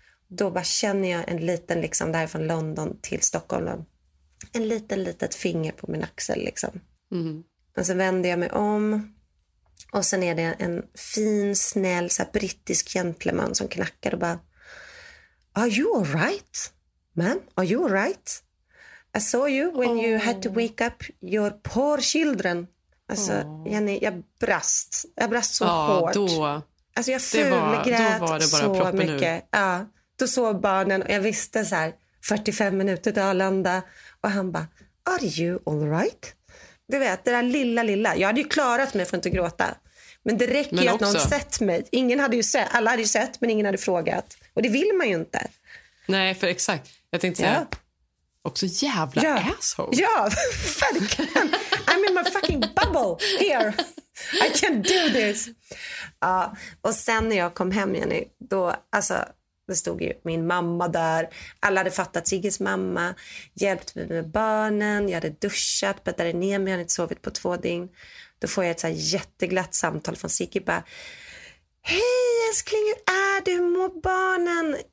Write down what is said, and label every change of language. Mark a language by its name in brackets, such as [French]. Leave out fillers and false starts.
[Swedish] Då bara känner jag en liten liksom där från London till Stockholm. En liten litet finger på min axel liksom. Mm. Och sen vänder jag mig om. Och sen är det en fin, snäll så här brittisk gentleman som knackar och bara, [English] "Are you all right? [Swedish] Man, are you all right?" [English] I saw you when you had to wake up your poor children. [Swedish] Alltså, Jenny, jag brast. Jag brast så hårt. Då. Alltså, jag fulgrät så mycket. Ja, då såg barnen och jag visste så här, 45 minuter till Arlanda. Och han bara, [English] are you all right? [Swedish] Du vet, det där lilla, lilla. Jag hade ju klarat mig för att inte gråta. Men det räcker ju att någon sett mig. Ingen hade ju sett, alla hade ju sett, men ingen hade frågat. Och det vill man ju inte. Nej, för exakt. Jag tänkte säga, också jävla asshole. Ja, verkligen. [English] I'm in my fucking bubble here. I can't do this. [Swedish] Ja, och sen när jag kom hem, Jenny, då, alltså, det stod ju min mamma där. Alla hade fattat Sigges mamma. Hjälpt mig med barnen. Jag hade duschat, bäddade ner mig. Jag hade inte sovit på två dygn. Då får jag ett så här jätteglatt samtal från Sigge. Bara, hej älskling, hur är du? Hur mår barnen?